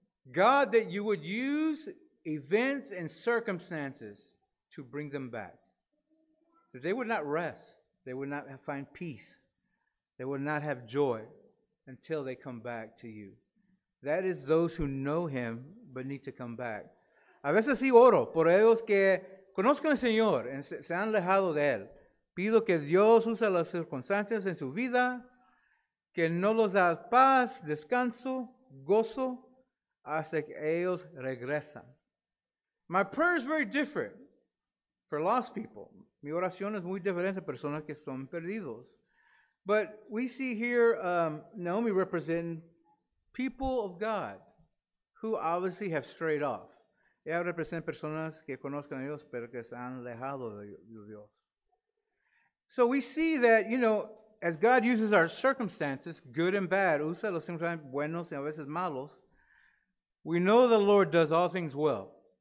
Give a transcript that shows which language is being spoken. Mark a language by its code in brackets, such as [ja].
[en] God, that you would use events and circumstances to bring them back. That they would not rest. They would not find peace. They would not have joy until they come back to you. That is those who know him but need to come back. [es] A veces sí oro por ellos que conozcan al Señor y se han alejado de él. Pido que Dios use las circunstancias en su vida, que no los da paz, descanso, gozo, hasta que ellos regresan. [en] My prayer is very different for lost people. [es] Mi oración es muy diferente a personas que son perdidos. [en] But we see here Naomi representing people of God who obviously have strayed off. [es] Ella representa personas que conozcan a Dios pero que se han alejado de Dios. [en] So we see that, you know, as God uses our circumstances, good and bad, usa los circunstancias buenos y a veces malos, we know the Lord does all things well.